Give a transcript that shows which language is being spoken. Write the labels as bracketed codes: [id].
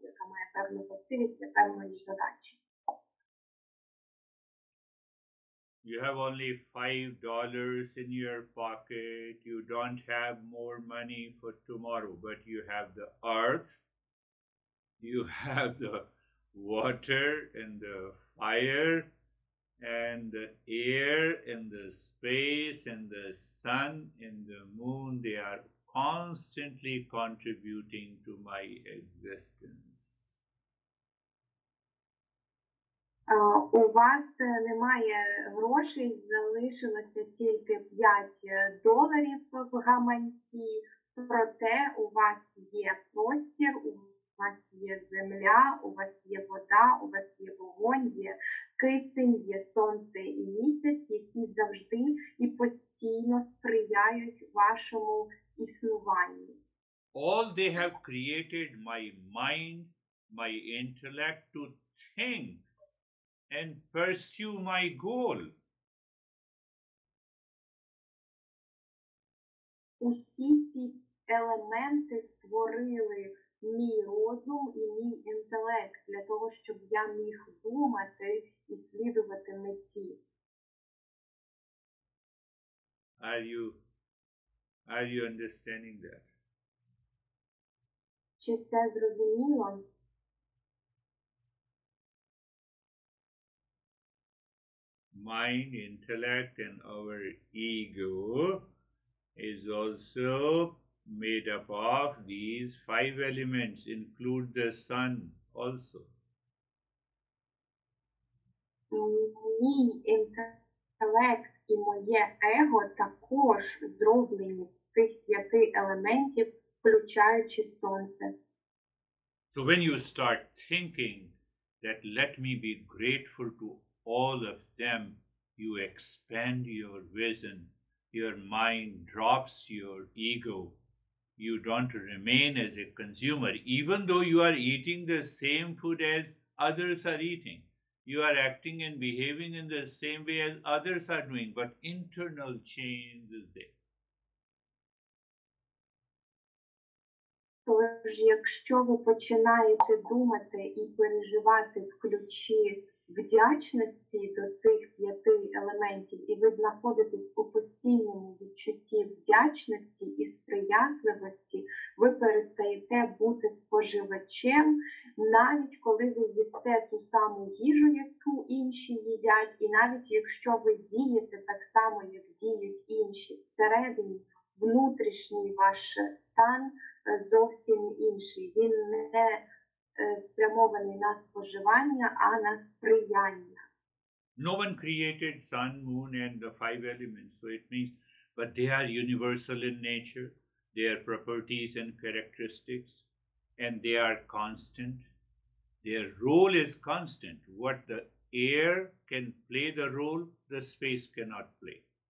[uk] Яка має певну властивість для певної задачі. [en] You have only $5 in your pocket. You don't have more money for tomorrow, but you have the earth, you have the water and the fire and the air and the space and the sun and the moon. They are constantly contributing to my existence. [uk] У вас немає грошей, залишилося тільки $5 в гаманці, проте у вас є простір, у вас є земля, у вас є вода, у вас є вогонь, є кисень, є сонце і місяць, які завжди і постійно сприяють вашому існуванню. [en] All they have created my mind, my intellect to think and pursue my goal. [uk] Усі ці елементи створили мій розум і мій інтелект для того, щоб я міг думати і слідувати меті. [en] Are you understanding that? [uk] Чи це зрозуміло? [en] Mind, intellect and our ego is also made up of these five elements, include the sun also. [uk] Мій інтелект і моє его також зроблені з цих п'яти елементів, включаючи сонце. [en] So when you start thinking that let me be grateful to all of them, you expand your vision. Your mind drops your ego. You don't remain as a consumer, even though you are eating the same food as others are eating. You are acting and behaving in the same way as others are doing, but internal change is there. [uk] Тож, якщо ви починаєте думати і переживати в ключі вдячності до цих п'яти елементів, і ви знаходитесь у постійному відчутті вдячності і сприятливості, ви перестаєте бути споживачем, навіть коли ви їсте ту саму їжу, яку інші їдять, і навіть якщо ви дієте так само, як діють інші, всередині внутрішній ваш стан зовсім інший. Він не спрямований на споживання, а на сприяння. [en] No one created sun, moon and the five elements, so it means, but they are universal in nature, their properties and characteristics, and they are constant. Their role is constant. What the air can play the role, the space cannot play.